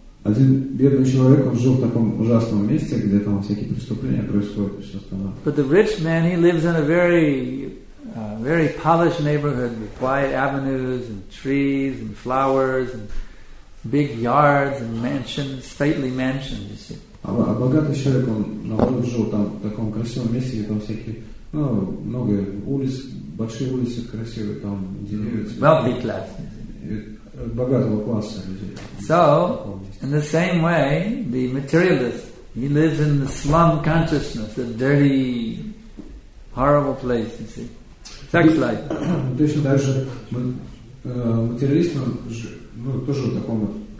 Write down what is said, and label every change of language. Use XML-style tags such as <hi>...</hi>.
<ru>Один бедный человек, он жил в таком ужасном месте, где там всякие преступления происходят, все остальное.</ru> <en>But the rich man, he lives in a very, very polished neighborhood with quiet avenues and trees and flowers and big yards and mansions, stately mansions. You see.</en> <ru>А богатый человек, он наоборот жил там в таком красивом месте, где там всякие, ну, много улиц, большие улицы красивые, там деревья.</ru> <en>Wealthy class.</en> <ru>Богатого класса людей.</ru> <en>So, in the same way, the materialist, he lives in the slum consciousness, a dirty, horrible place, you see. Sex life.</en> <ru>Точно так же материалист, он тоже в таком вот.</ru>